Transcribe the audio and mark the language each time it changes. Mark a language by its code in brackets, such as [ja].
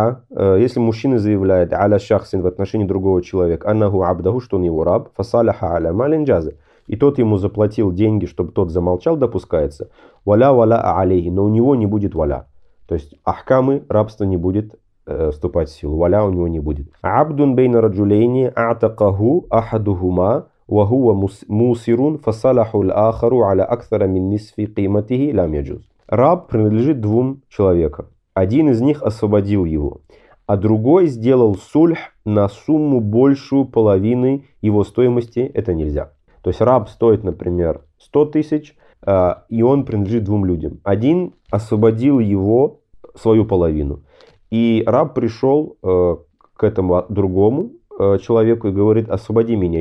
[ru] Если мужчина заявляет [ar] «аля шахсин» [ru] в отношении другого человека, [ar] «аннаху абдаху», [ru] что он его раб, [ar] «фасаляха аля малин джазы», [ru] и тот ему заплатил деньги, чтобы тот замолчал, допускается, [ar] «валя валя алейхи», [ru] но у него не будет «валя». То есть ахкамы, рабство не будет вступать в силу. «Валя» у него не будет. [ar] «Абдун бейна раджулейни а'такаху ахадухума». وهو موسر فصالح الآخر على أكثر من نصف قيمته لم يجوز. [ru] Раб принадлежит двум человекам. Один из них освободил его, а другой сделал сульх на сумму большую половины его стоимости. Это нельзя. То есть раб стоит, например, 100 тысяч, и он принадлежит двум людям. Один освободил его свою половину, и раб пришел к этому другому человеку и говорит: освободи меня.